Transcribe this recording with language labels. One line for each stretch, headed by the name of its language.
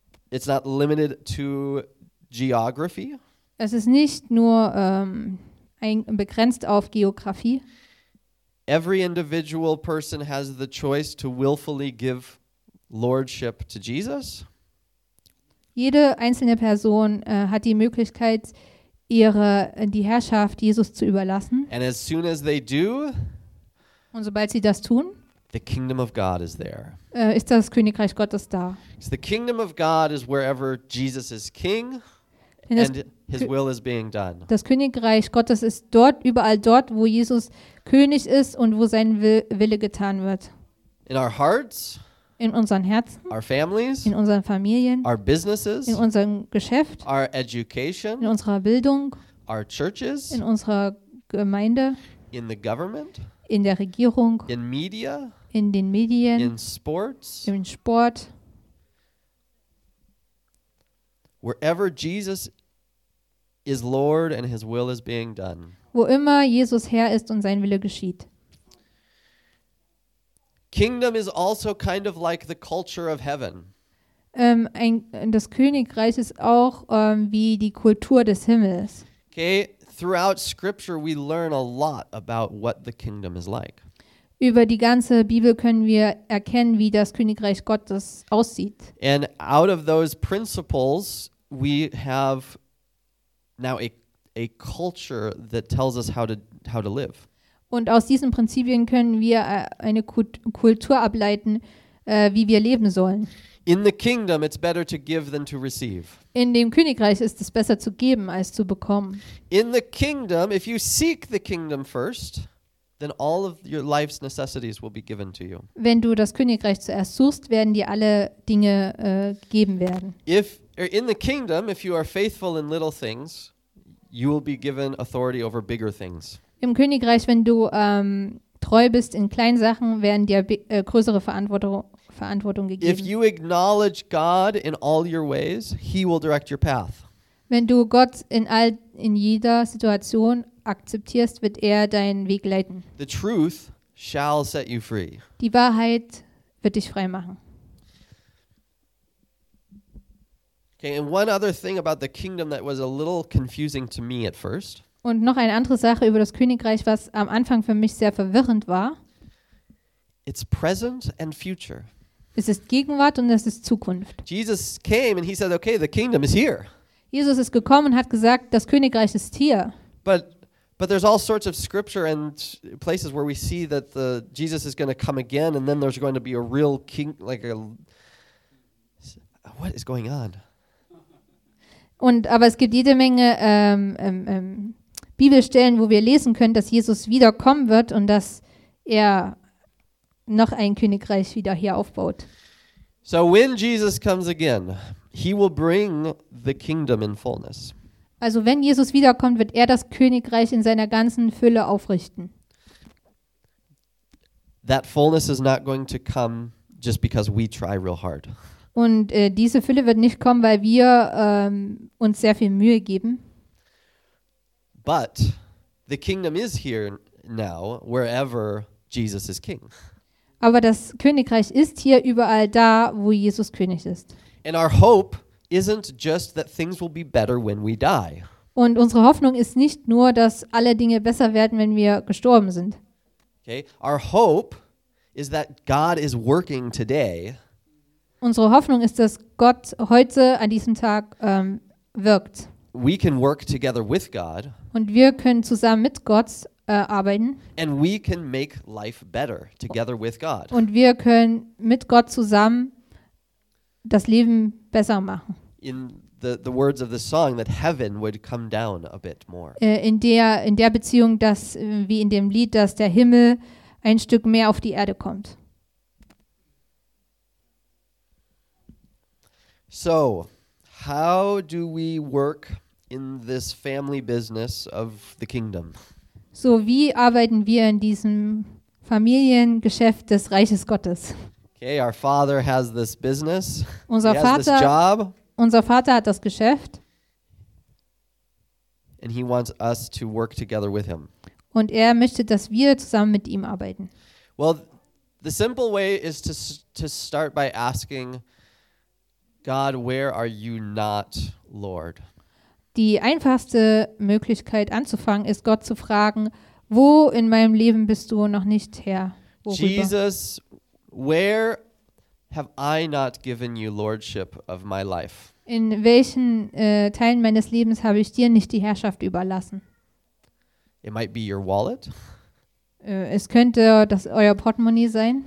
English: It's not limited to geography.
German: Es ist nicht nur begrenzt auf Geografie.
English: Every individual person has the choice to willfully give lordship to Jesus.
German: Jede einzelne Person hat die Möglichkeit, die Herrschaft Jesus zu überlassen.
English: And as soon as they do,
German: und sobald sie das tun,
English: the kingdom of God is there.
German: Ist das Königreich Gottes da?
English: The kingdom of God is wherever Jesus is king and his will is being done.
German: Das Königreich Gottes ist dort, überall dort, wo Jesus König ist und wo sein Wille getan wird.
English: In our hearts,
German: in unseren Herzen,
English: our families,
German: in unseren Familien,
English: our businesses,
German: in unserem Geschäft,
English: our education,
German: in unserer Bildung,
English: our churches,
German: in unserer Gemeinde,
English: in the government,
German: in der Regierung,
English: in Media,
German: in den Medien,
English: in Sports,
German: im Sport.
English: Wherever Jesus is Lord and his will is being done.
German: Wo immer Jesus Herr ist und sein Wille geschieht.
English: Kingdom is also kind of like the culture of heaven.
German: Das Königreich ist auch wie die Kultur des Himmels.
English: Okay. Throughout scripture we learn a lot about what the kingdom is like.
German: Über die ganze Bibel können wir erkennen, wie das Königreich Gottes aussieht.
English: And out of those principles we have now a culture that tells us how to live.
German: Und aus diesen Prinzipien können wir eine Kultur ableiten, wie wir leben sollen.
English: In the kingdom it's better to give than to receive.
German: In dem Königreich ist es besser zu geben als zu bekommen.
English: In the kingdom if you seek the kingdom first, then all of your life's necessities will be given to you.
German: Wenn du das Königreich zuerst suchst, werden dir alle Dinge gegeben werden.
English: If in the kingdom, if you are faithful in little things, you will be given authority over bigger things.
German: Im Königreich, wenn du treu bist in kleinen Sachen, werden dir größere Verantwortung gegeben.
English: If you acknowledge God in all your ways, he will direct your path.
German: Wenn du Gott in jeder Situation akzeptierst, wird er deinen Weg leiten.
English: The truth shall set you free.
German: Die Wahrheit wird dich frei machen.
English: Okay, and one other thing about the kingdom that was a little confusing to me at first.
German: Und noch eine andere Sache über das Königreich, was am Anfang für mich sehr verwirrend war.
English: It's present and future.
German: Es ist Gegenwart und es ist Zukunft.
English: Jesus came and he said, okay, the kingdom is here.
German: Jesus ist gekommen und hat gesagt, das Königreich ist hier.
English: But there's all sorts of scripture and places where we see that the Jesus is going to come again and then there's going to be a real king, like a, what is going on?
German: Und aber es gibt jede Menge Bibelstellen, wo wir lesen können, dass Jesus wiederkommen wird und dass er noch ein Königreich wieder hier aufbaut.
English: So when Jesus comes again, he will bring the kingdom in fullness.
German: Also wenn Jesus wiederkommt, wird er das Königreich in seiner ganzen Fülle aufrichten.
English: That fullness is not going to come just because we try real hard.
German: Und diese Fülle wird nicht kommen, weil wir uns sehr viel Mühe geben.
English: But the kingdom is here now, wherever Jesus is king.
German: Aber das Königreich ist hier überall da, wo Jesus König ist.
English: And our hope isn't just that things will be better when we die.
German: Und unsere Hoffnung ist nicht nur, dass alle Dinge besser werden, wenn wir gestorben sind.
English: Okay, our hope is that God is working today.
German: Unsere Hoffnung ist, dass Gott heute an diesem Tag wirkt.
English: We can work together with God.
German: Und wir können zusammen mit Gott arbeiten.
English: And we can make life better together with God.
German: Und wir können mit Gott zusammen das Leben besser machen.
English: In the words of the song, that heaven would come down a bit more.
German: In der Beziehung, dass wie in dem Lied, dass der Himmel ein Stück mehr auf die Erde kommt.
English: So, how do we work in this family business of the kingdom?
German: So, wie arbeiten wir in diesem Familiengeschäft des Reiches Gottes?
English: Okay, our father has this business.
German: Unser Vater,
English: he has this job.
German: Unser Vater hat das Geschäft.
English: And he wants us to work together with him.
German: Und er möchte, dass wir zusammen mit ihm arbeiten.
English: Well, the simple way is to start by asking God, where are you not Lord?
German: Die einfachste Möglichkeit anzufangen ist, Gott zu fragen, wo in meinem Leben bist du noch nicht Herr? Worüber?
English: Jesus, where have I not given you lordship of my life?
German: In welchen Teilen meines Lebens habe ich dir nicht die Herrschaft überlassen?
English: It might be your wallet.
German: Es könnte das euer Portemonnaie sein.